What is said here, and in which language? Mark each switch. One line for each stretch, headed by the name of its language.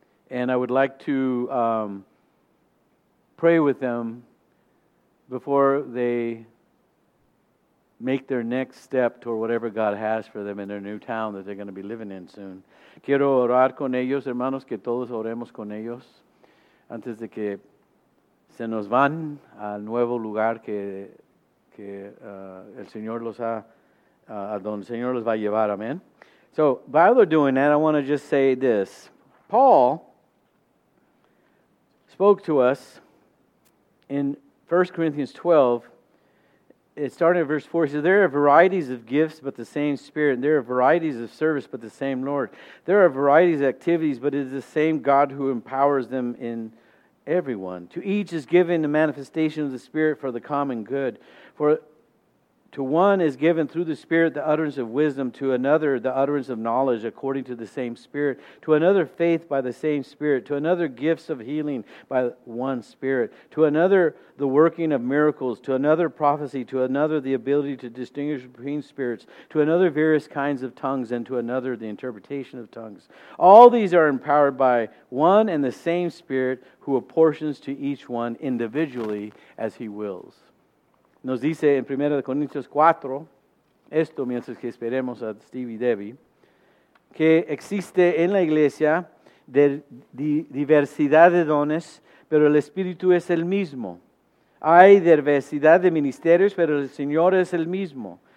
English: And I would like to pray with them before they make their next step toward whatever God has for them in their new town that they're going to be living in soon.
Spanish: Quiero orar con ellos, hermanos, que todos oremos con ellos antes de que se nos van al nuevo lugar que el Señor los ha, donde el Señor los va a llevar.
English: Amen. So, while they're doing that, I want to just say this. Paul spoke to us in 1 Corinthians 12. It started at verse 4. He says, there are varieties of gifts, but the same Spirit. And there are varieties of service, but the same Lord. There are varieties of activities, but it is the same God who empowers them in everyone. To each is given the manifestation of the Spirit for the common good. For to one is given through the Spirit the utterance of wisdom, to another the utterance of knowledge according to the same Spirit, to another faith by the same Spirit, to another gifts of healing by one Spirit, to another the working of miracles, to another prophecy, to another the ability to distinguish between spirits, to another various kinds of tongues, and to another the interpretation of tongues. All these are empowered by one and the same Spirit who apportions to each one individually as He wills.
Spanish: Nos dice en 1 Corintios 4, esto mientras que esperemos a Steve y Debbie, que existe en la iglesia de diversidad de dones, pero el Espíritu es el mismo. Hay diversidad de ministerios, pero el Señor es el mismo.